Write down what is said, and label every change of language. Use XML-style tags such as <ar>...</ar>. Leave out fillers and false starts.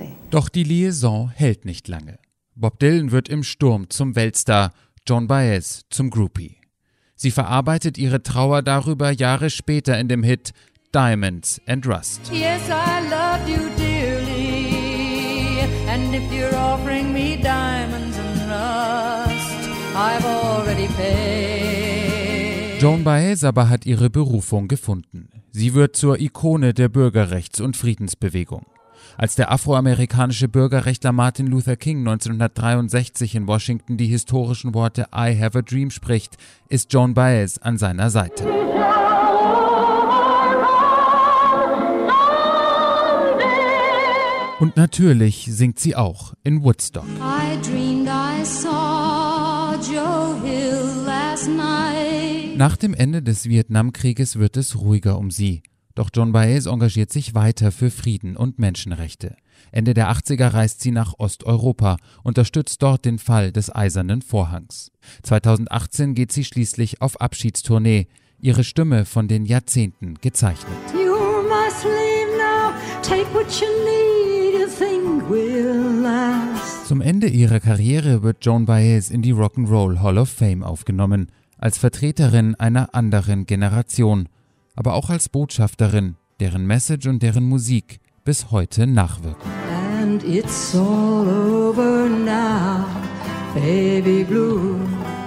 <de>Doch die Liaison hält nicht lange. Bob Dylan wird im Sturm zum Weltstar. Joan Baez zum Groupie. Sie verarbeitet ihre Trauer darüber Jahre später in dem Hit Diamonds and Rust.</de> <en>Yes, I love you dearly, and if you're offering me diamonds and rust, I've already paid.</en> <de>Joan Baez aber hat ihre Berufung gefunden. Sie wird zur Ikone der Bürgerrechts- und Friedensbewegung. Als der afroamerikanische Bürgerrechtler Martin Luther King 1963 in Washington die historischen Worte »</de> <en>I have a dream«</en> <de>spricht, ist Joan Baez an seiner Seite. Und natürlich singt sie auch in Woodstock.</de> <en>I dreamed I saw Joe Hill last night.</en> <de>Nach dem Ende des Vietnamkrieges wird es ruhiger um sie. Doch Joan Baez engagiert sich weiter für Frieden und Menschenrechte. Ende der 80er reist sie nach Osteuropa, unterstützt dort den Fall des Eisernen Vorhangs. 2018 geht sie schließlich auf Abschiedstournee, ihre Stimme von den Jahrzehnten gezeichnet.</de> <en>You must leave now, take what you need, you think we'll last.</en> <de>Zum Ende ihrer Karriere wird Joan Baez in die Rock'n'Roll Hall of Fame aufgenommen, als Vertreterin einer anderen Generation. Aber auch als Botschafterin, deren Message und deren Musik bis heute nachwirken.</de> <en>And it's all over now, baby blue.</en>